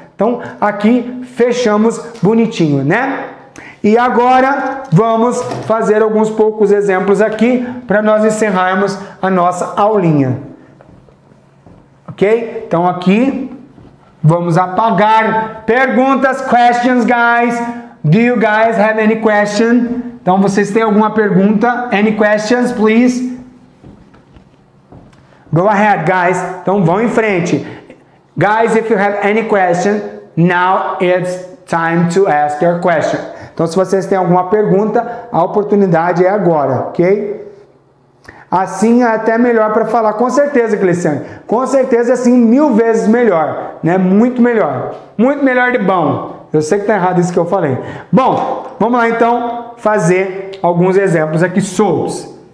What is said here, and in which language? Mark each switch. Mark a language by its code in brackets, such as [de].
[pt] Então, aqui fechamos bonitinho, né? E agora vamos fazer alguns poucos exemplos aqui para nós encerrarmos a nossa aulinha. Ok? Então, aqui vamos apagar. Perguntas, [en] questions, guys. Do you guys have any question? [pt] Então, vocês têm alguma pergunta? [en] Any questions, please? Go ahead, guys. [pt] Então, vão em frente. [en] Guys, if you have any question, now it's time to ask your question. [pt] Então, se vocês têm alguma pergunta, a oportunidade é agora, ok? Assim é até melhor para falar, com certeza, Cleciane. Com certeza, assim, mil vezes melhor, né? Muito melhor. Muito melhor de bom. Eu sei que está errado isso que eu falei. Bom, vamos lá, então, fazer alguns exemplos aqui soltos.